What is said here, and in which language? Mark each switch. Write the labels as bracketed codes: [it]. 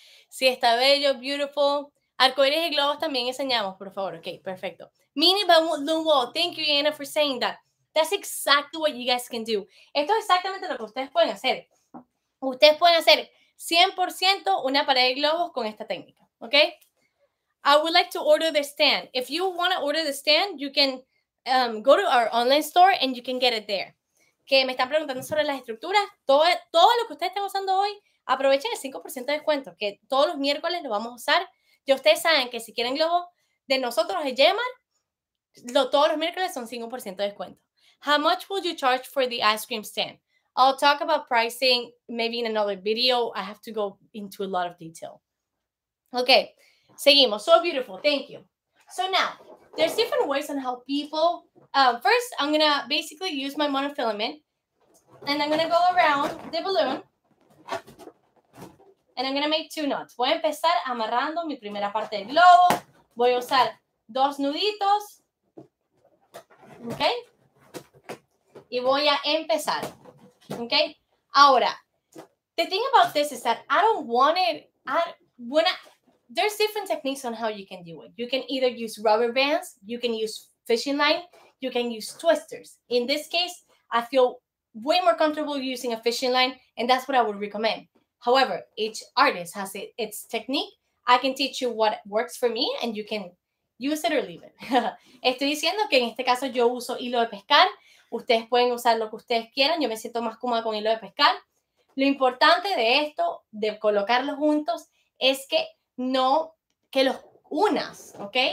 [es] Sí, está bello, beautiful. Arcoíris y globos también enseñamos, por favor. Ok, perfecto. [en] Mini balloon wall. Thank you, Anna, for saying that. That's exactly what you guys can do. [es] Esto es exactamente lo que ustedes pueden hacer. Ustedes pueden hacer 100% una pared de globos con esta técnica. [en] Ok. I would like to order the stand. If you want to order the stand, you can go to our online store and you can get it there. [es] Que me están preguntando sobre las estructuras. Todo lo que ustedes están usando hoy, aprovechen el 5% de descuento, que todos los miércoles lo vamos a usar. Y ustedes saben que si quieren globo de nosotros, de Yemar, todos los miércoles son 5% de descuento. [en] How much would you charge for the ice cream stand? I'll talk about pricing maybe in another video. I have to go into a lot of detail. Okay, seguimos. So beautiful. Thank you. So now, there's different ways on how people... First, I'm going to basically use my monofilament. And I'm going to go around the balloon. And I'm going to make two knots. [es] Voy a empezar amarrando mi primera parte del globo. Voy a usar dos nuditos. Okay? Y voy a empezar. Okay? [en] Ahora, the thing about this is that I don't want it... There's different techniques on how you can do it. You can either use rubber bands. You can use fishing line. You can use twisters. In this case, I feel way more comfortable using a fishing line, and that's what I would recommend. However, each artist has its technique. I can teach you what works for me, and you can use it or leave it. [es] Estoy diciendo que en este caso yo uso hilo de pescar. Ustedes pueden usar lo que ustedes quieran. Yo me siento más cómoda con hilo de pescar. Lo importante de esto, de colocarlos juntos, es que no que los unas, ¿ok?